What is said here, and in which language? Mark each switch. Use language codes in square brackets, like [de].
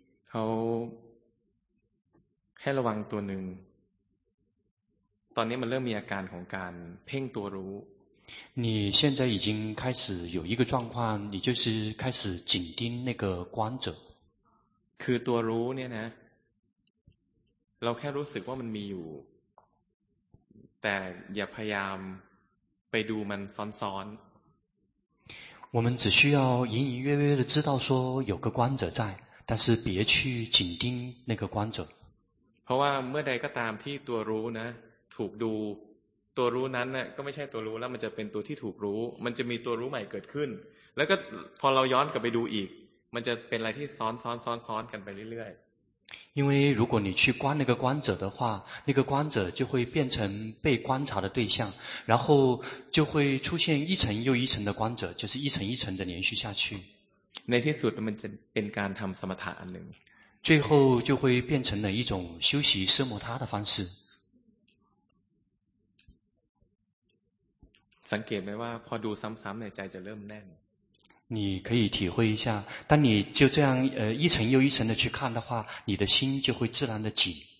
[th] เขาให้ระวังตัวหนึ่งตอนนี้มันเริ่มมีอาการของการเพ่งตัวรู้ [zh] 你现在已经开始有一个状况，你就是开始紧盯那个观者。 [th] คือตัวรู้เนี่ยนะเราแค่รู้สึกว่ามันมีอยู่แต่อย่าพยายามไปดูมันซ้อน [zh] ๆ我们只需要隐隐约约的知道说有个观者在，但是别去紧盯那个观者。 [th] เพราะว่าเมื่อใดก็ตามที่ตัวรู้นะถูกดูตัวรู้นั้นน่ะก็ไม่ใช่ตัวรู้แล้วมันจะเป็นตัวที่ถูกรู้มันจะมีตัวรู้ใหม่เกิดขึ้นแล้วก็พอเราย้อนกลับไปดูอีกมันจะเป็นอะไรที่ซ้อนกันไปเรื่อย [zh] ๆ因为如果你去观那个观者的话那个观者就会变成被观察的对象然后就会出现一层又一层的观者就是一层一层的连续下去 [th] ในที่สุดมันจะเป็นการทำสมถะอันหนึ่ง [zh] 最后就会变成了一种修习奢摩他的方式 [th] สังเกตไหมว่าพอดูซ้ำๆในใจจะเริ่มแน่น [zh] 你可以体会一下当你就这样一层又一层的去看的话你的心就会自然的紧